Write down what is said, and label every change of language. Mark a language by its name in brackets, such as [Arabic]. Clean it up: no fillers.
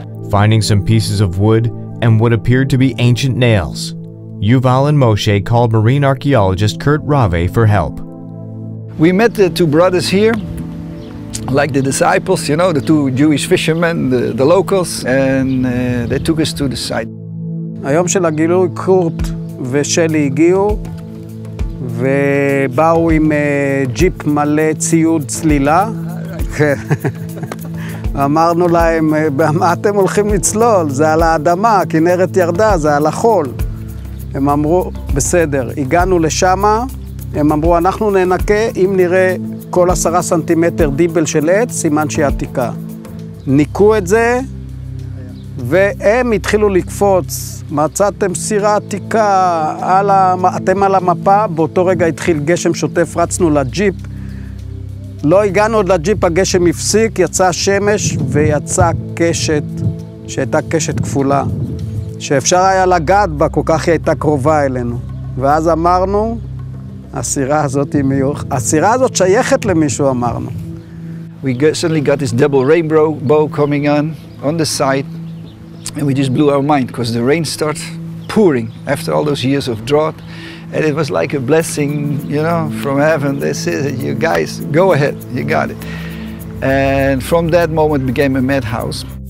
[English] Finding some pieces of wood and what appeared to be ancient nails, Yuval and Moshe called marine archaeologist Kurt Rave for help. We met the two brothers here, like the disciples, you know, the two Jewish fishermen, the locals, and they took us to the site. [Hebrew] היום של הגילוי קורט ושלי הגיעו ובאו עם ג'יפ מלא ציוד צלילה. אמרנו להם, מה אתם הולכים לצלול? זה על האדמה, כנרת ירדה, זה על החול. הם אמרו, בסדר, הגענו לשם, הם אמרו, אנחנו ננקה, אם נראה כל 10 סנטימטר דיבל של עץ, סימן שהיא עתיקה. ניקו את זה, והם התחילו לקפוץ, מצאתם סירה עתיקה, אתם על המפה, באותו רגע התחיל גשם שוטף, רצנו לג'יפ. לא הגענו עוד לג'יפ, הגשם הפסיק, יצא שמש ויצא קשת, שהייתה קשת כפולה. שאפשר היה לגעת בה, כל כך היא הייתה קרובה אלינו. ואז אמרנו, הסירה הזאת היא מיוח... הסירה הזאת שייכת למישהו, אמרנו. [English] We suddenly got this double rainbow bow coming on the side, and we just blew our mind, because the rain started pouring after all those years of drought, and it was like a blessing, you know, from heaven. They said, you guys, go ahead, you got it. And from that moment became a madhouse.